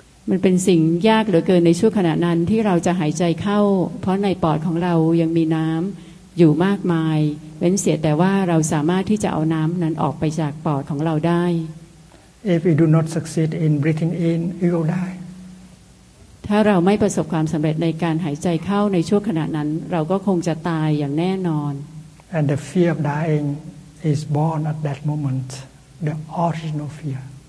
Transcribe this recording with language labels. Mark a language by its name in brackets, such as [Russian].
[Thai] มันเป็นสิ่งยากเหลือเกินในช่วงขณะนั้นที่เราจะหายใจเข้าเพราะในปอดของเรายังมีน้ำอยู่มากมาย เว้นเสียแต่ว่าเราสามารถที่จะเอาน้ำนั้นออกไปจากปอดของเราได้ [English] If you do not succeed in breathing in, you will die. [Thai] ถ้าเราไม่ประสบความสำเร็จในการหายใจเข้าในช่วงขณะนั้นเราก็คงจะตายอย่างแน่นอน [English] And the fear of dying is born at that moment, the original fear.